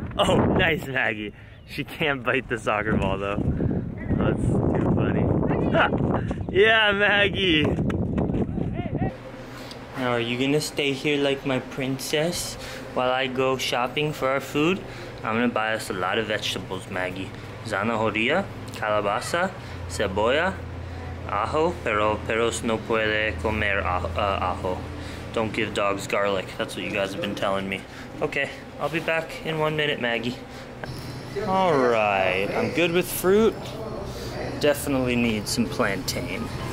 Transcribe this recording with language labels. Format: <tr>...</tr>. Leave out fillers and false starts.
<en>Oh, nice Maggie. She can't bite the soccer ball though. That's too funny. Yeah, Maggie. Now, are you gonna stay here like my princess while I go shopping for our food? I'm gonna buy us a lot of vegetables, Maggie.</en> <es>Zanahoria, calabaza, cebolla, ajo, pero no puede comer ajo.</es> <en>Don't give dogs garlic, that's what you guys have been telling me. Okay, I'll be back in 1 minute, Maggie. All right, I'm good with fruit. Definitely need some plantain.</en>